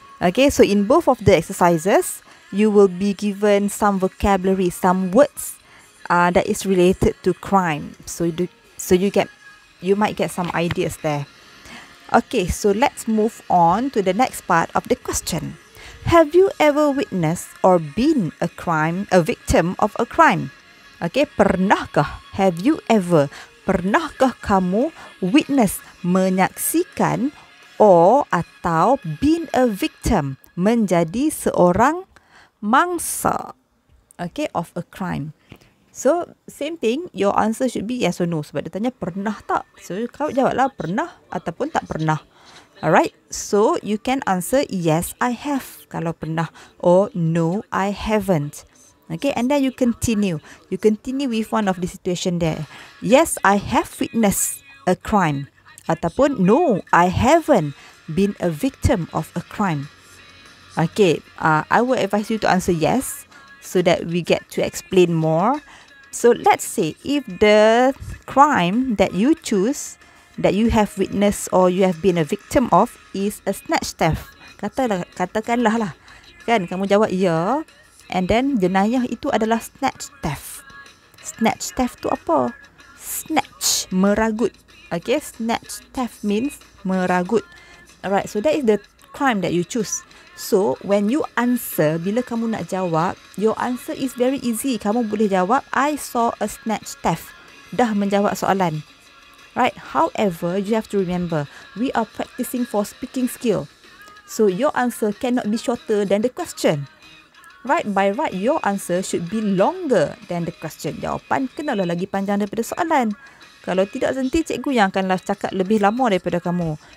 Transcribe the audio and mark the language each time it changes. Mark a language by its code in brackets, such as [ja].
[en] Okay, so in both of the exercises, you will be given some vocabulary, some words that is related to crime. So you might get some ideas there. Okay, so let's move on to the next part of the question. Have you ever witnessed or been a victim of a crime? Okay, [ms] pernahkah? [en] Have you ever? [ms] Pernahkah kamu witness, menyaksikan, or atau [en] been a victim, [ms] menjadi seorang mangsa? [en] Okay, of a crime. So, same thing, your answer should be yes or no. [ms] Sebab dia tanya pernah tak? So, kau jawablah pernah ataupun tak pernah. [en] Alright, so you can answer yes, I have, [ms] kalau pernah, [en] or no, I haven't. Okay, and then you continue. You continue with one of the situation there. Yes, I have witnessed a crime. Ataupun, no, I haven't been a victim of a crime. Okay, I will advise you to answer yes, so that we get to explain more. So let's say, if the crime that you choose, that you have witnessed or you have been a victim of, is a snatch theft. [ms] Katakanlah lah. Kan, kamu jawab ya. [en] And then, [ms] jenayah itu adalah snatch theft. Snatch theft tu apa? Snatch, meragut. [en] Okay, snatch theft means meragut. Alright, so that is the crime that you choose. So, when you answer, [ms] bila kamu nak jawab, [en] your answer is very easy. [ms] Kamu boleh jawab, [en] I saw a snatch theft. [ms] Dah menjawab soalan. Right. [en] However, you have to remember, we are practicing for speaking skill. So, your answer cannot be shorter than the question. Right? By right, your answer should be longer than the question. [ms] Jawapan kenalah lagi panjang daripada soalan. Kalau tidak, nanti cikgu yang akanlah cakap lebih lama daripada kamu.